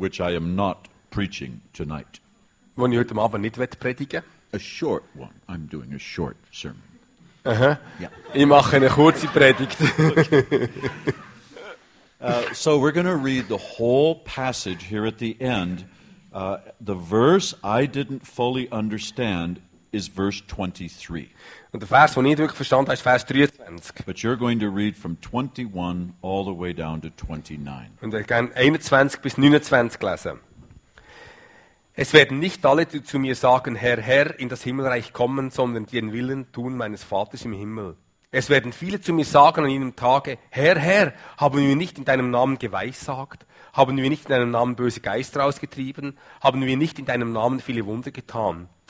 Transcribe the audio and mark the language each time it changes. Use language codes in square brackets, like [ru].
[en] Which I am not preaching tonight. [de] Wo ich heute Abend nicht will predigen. [en] A short one. I'm doing a short sermon. Yeah. [de] Ich mache eine kurze Predigt. [en] So we're going to read the whole passage here at the end. The verse I didn't fully understand is verse 23. [de] Und der Vers, den ich wirklich verstanden habe, ist Vers 23. [en] But you're going to read from 21 all the way down to 29. [de] Und ich kann 21 bis 29 lesen. Es werden nicht alle zu mir sagen, Herr, Herr, in das Himmelreich kommen, sondern den Willen tun meines Vaters im Himmel. Es werden viele zu mir sagen an jenem Tage, Herr, Herr, haben wir nicht in deinem Namen geweissagt? Haben wir nicht in deinem Namen böse Geister ausgetrieben? Haben wir nicht in deinem Namen viele Wunder getan?